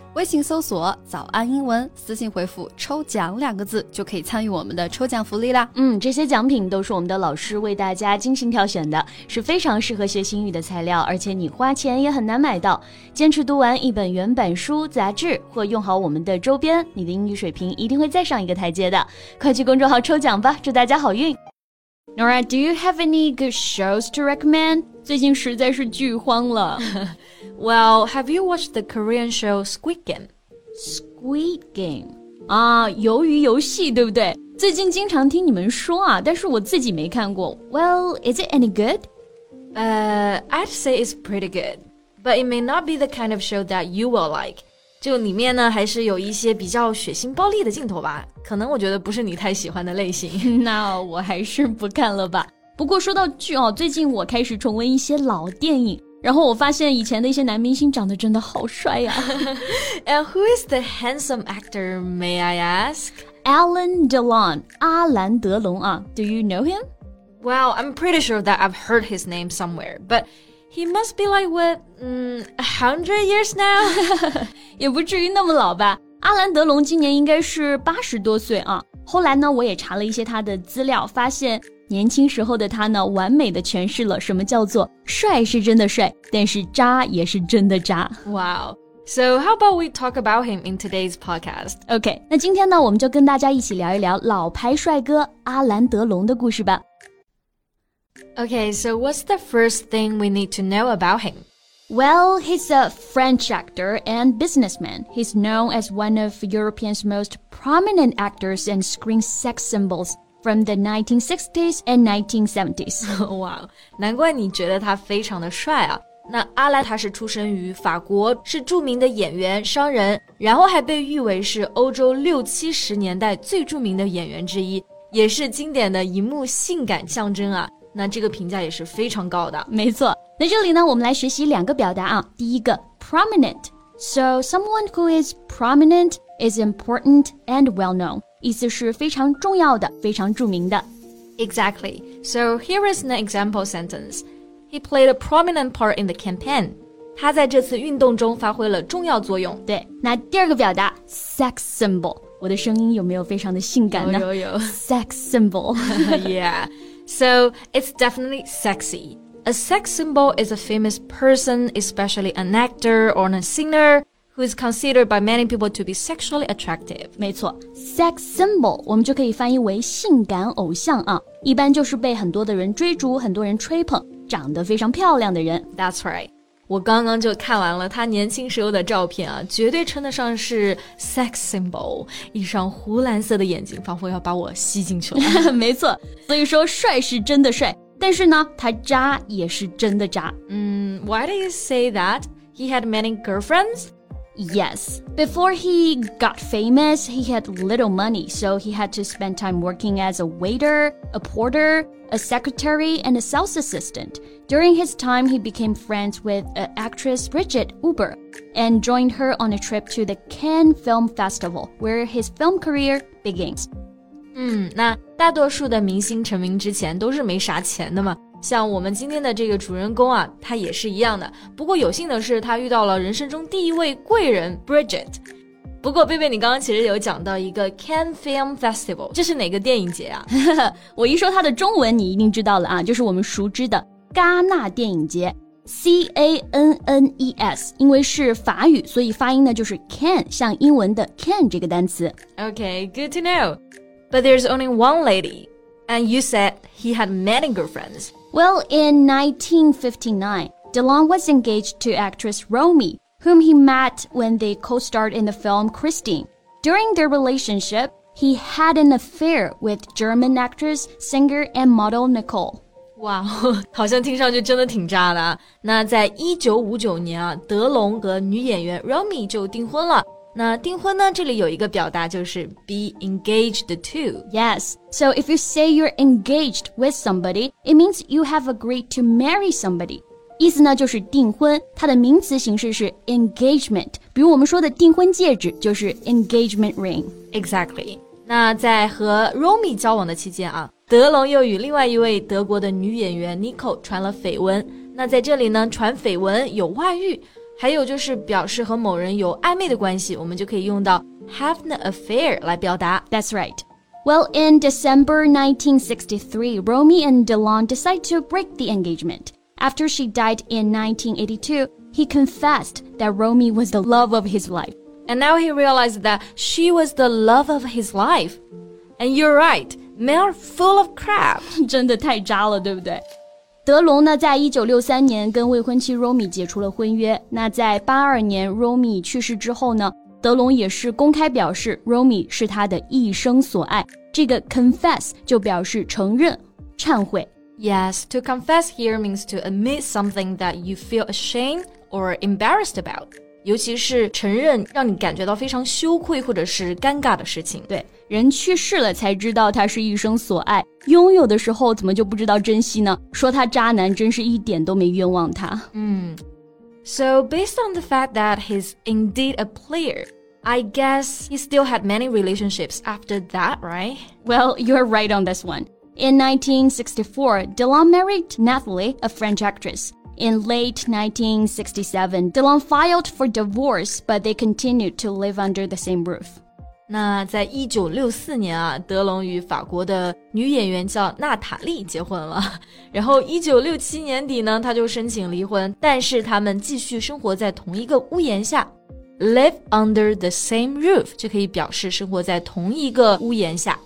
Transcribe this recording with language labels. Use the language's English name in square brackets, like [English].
[Chinese] 微信搜索早安英文，私信回复抽奖两个字，就可以参与我们的抽奖福利啦。嗯，这些奖品都是我们的老师为大家精心挑选的，是非常适合学习英语的材料，而且你花钱也很难买到。坚持读完一本原版书、杂志或用好我们的周边，你的英语水平一定会再上一个台阶的。快去公众号抽奖吧，祝大家好运。 [English] Nora, do you have any good shows to recommend? [Chinese] 最近实在是剧荒了。 [English] Well, have you watched the Korean show Squid Game? [Chinese] Squid Game? 啊，鱿鱼游戏对不对？最近经常听你们说啊，但是我自己没看过。 [English] Well, is it any good? I'd say it's pretty good. But it may not be the kind of show that you will like. [Chinese] 就里面呢，还是有一些比较血腥暴力的镜头吧。可能我觉得不是你太喜欢的类型。那我还是不看了吧。不过说到剧哦，最近我开始重温一些老电影，然后我发现以前的一些男明星长得真的好帅呀。 [English] And who is the handsome actor, may I ask? [Chinese] Alan Delon, 阿兰德龙啊。 [English] Do you know him? Well, I'm pretty sure that I've heard his name somewhere, but he must be like, what, 100 years now? [Chinese] 也不至于那么老吧。阿兰德龙今年应该是80多岁啊。后来呢，我也查了一些他的资料，发现年轻时候的他呢，完美的诠释了什么叫做帅是真的帅，但是渣也是真的渣。 [English] Wow. So how about we talk about him in today's podcast? [Chinese] Okay, 那今天呢，我们就跟大家一起聊一聊老牌帅哥阿兰德龙的故事吧。 [English] Okay, so what's the first thing we need to know about him? Well, he's a French actor and businessman. He's known as one of Europe's most prominent actors and screen sex symbols. From the 1960s and 1970s. [Chinese] Wow, 难怪你觉得他非常的帅啊。那阿兰他是出生于法国，是著名的演员、商人，然后还被誉为是欧洲六七十年代最著名的演员之一，也是经典的荧幕性感象征啊。那这个评价也是非常高的。没错，那这里呢，我们来学习两个表达啊。第一个 prominent. [English] So someone who is prominent is important and well-known. [Chinese] 意思是非常重要的，非常著名的。 [English] Exactly. So here is an example sentence. He played a prominent part in the campaign. [Chinese] 他在这次运动中发挥了重要作用。对，那第二个表达 ,sex symbol. 我的声音有没有非常的性感呢？有有有。 [English] Sex symbol. Yeah. So it's definitely sexy. A sex symbol is a famous person, especially an actor or a singer. Who is considered by many people to be sexually attractive. [Chinese] 没错 ,sex symbol, 我们就可以翻译为性感偶像啊。一般就是被很多的人追逐，很多人吹捧，长得非常漂亮的人。 [English] That's right. [Chinese] 我刚刚就看完了他年轻时候的照片啊，绝对称得上是 sex symbol. 一双湖蓝色的眼睛仿佛要把我吸进去了。没错，所以说帅是真的帅，但是呢，他渣也是真的渣。 [English] Why do you say that? He had many girlfriends? Yes. Before he got famous, he had little money, so he had to spend time working as a waiter, a porter, a secretary, and a sales assistant. During his time, he became friends with an actress, Bridget Uber, and joined her on a trip to the Cannes Film Festival, where his film career begins. [Chinese] 那大多数的明星成名之前都是没啥钱的嘛。像我们今天的这个主人公啊，他也是一样的。不过有幸的是，他遇到了人生中第一位贵人 Bridget。不过贝贝，你刚刚其实有讲到一个 Cannes Film Festival， 这是哪个电影节啊？我一说它的中文，你一定知道了啊，就是我们熟知的戛纳电影节 ，C A N N E S。因为是法语，所以发音呢就是 Cannes， 像英文的 Cannes 这个单词。 [English] Okay, good to know. But there's only one lady, and you said he had many girlfriends. Well, in 1959, Delon was engaged to actress Romy, whom he met when they co-starred in the film Christine. During their relationship, he had an affair with German actress, singer, and model Nicole. [Chinese] Wow, 好像听上去真的挺渣的。那在1959年啊，德龙和女演员 Romy 就订婚了。那订婚呢，这里有一个表达就是 be engaged to. [English] Yes, so if you say you're engaged with somebody, it means you have agreed to marry somebody. [Chinese] 意思呢就是订婚，它的名词形式是 engagement. 比如我们说的订婚戒指就是 engagement ring. [English] Exactly. [Chinese] 那在和 Romy 交往的期间啊，德龙又与另外一位德国的女演员 Nicole 传了绯闻。那在这里呢，传绯闻有外遇，还有就是表示和某人有暧昧的关系，我们就可以用到 [English] have an affair [Chinese] 来表达。 [English] That's right. Well, in December 1963, Romy and DeLong decide to break the engagement. After she died in 1982, he confessed that Romy was the love of his life. And now he realized that she was the love of his life. And you're right, men are full of crap. [Chinese] 真的太渣了，对不对？德龙呢，在1963年跟未婚妻 Romy 解除了婚约。那在82年 Romy 去世之后呢，德龙也是公开表示 Romy 是他的一生所爱。这个 confess 就表示承认、忏悔。 [English] Yes, to confess here means to admit something that you feel ashamed or embarrassed about. [Chinese] 尤其是承认让你感觉到非常羞愧或者是尴尬的事情。对，人去世了才知道他是一生所爱，拥有的时候怎么就不知道珍惜呢？说他渣男真是一点都没冤枉他。 [English] So based on the fact that he's indeed a player, I guess he still had many relationships after that, right? Well, you're right on this one. In 1964, DeLong married Nathalie, a French actress. In late 1967, DeLong filed for divorce, but they continued to live under the same roof. [Chinese] 那在1964年啊，德龙与法国的女演员叫娜塔莉结婚了。然后1967年底呢，他就申请离婚，但是他们继续生活在同一个屋檐下。 [English] Live under the same roof [Chinese] 就可以表示生活在同一个屋檐下。